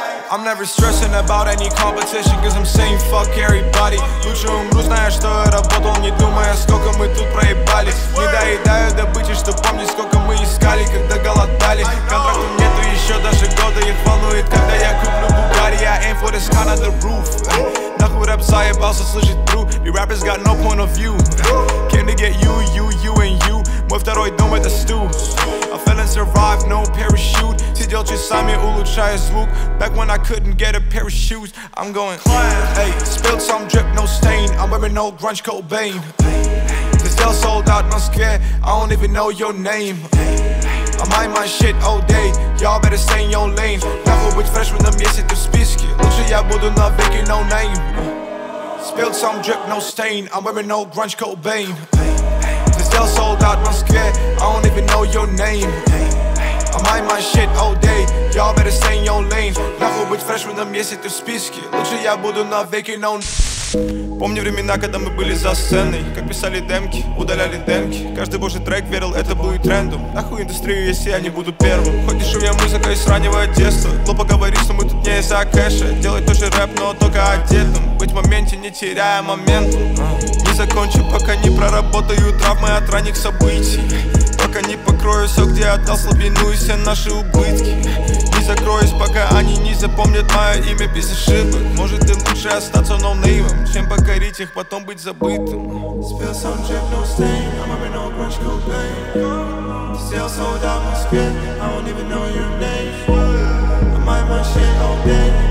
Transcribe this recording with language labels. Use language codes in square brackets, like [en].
[en] I'm never stressing about any competition, cause I'm saying fuck everybody. [ru] Лучше умру, зная, что я работал, не думая, сколько мы тут проебали. Не доедаю добычи, чтоб помнить, сколько мы искали, когда голодали. Контракту нету еще даже года, их волнует, когда я куплю Bugatti. [en] I aim for the sky, not the roof. [ru] Нахуй рэп заебался слышать true. [en] The rappers got no point of view. Came to get you, you, you and you. [ru] Мой второй дом это Stu. [en] I fell and survived, no parachute. [ru] Сидел часами, улучшая звук. [en] Back when I couldn't get a pair of shoes, I'm going clean. Hey, spilled some drip, no stain. I'm wearing old grunge Cobain. The sale sold out, no scare. I don't even know your name. I mind my shit all day. Y'all better stay in your lane. [ru] Нахуй быть фреш в этом, если ты в списке. Лучше я буду навеки [en] no name. Spilled some drip, no stain. I'm wearing old grunge Cobain. Still sold out, I'm scared. I don't even know your name. I mind my shit all day. Y'all better stay in your lane. [ru] Нахуй быть фреш в этом, если ты в списке. Лучше я буду навеки no. Помню времена, когда мы были за сценой. Как писали демки, удаляли демки. Каждый божий трек верил, это будет трендом. Нахуй индустрию, если я не буду первым. Хоть дешу я музыка из раннего детства. Глупо говорить, что мы тут не из-за кэша. Делать тоже рэп, но только одетым. Быть в моменте, не теряя момент. Не закончу, пока не проработаю травмы от ранних событий. Пока не покрою все, где отдал слабину и все наши убытки. Не закроюсь, пока они не запомнят мое имя без ошибок. Может и лучше остаться ноунеймом, чем покорить их, потом быть забытым. [en] Spill some drip, no stain. I'm wearing old grunge Cobain. Still sold out my skin. I don't even know your name. I mind my shit all day.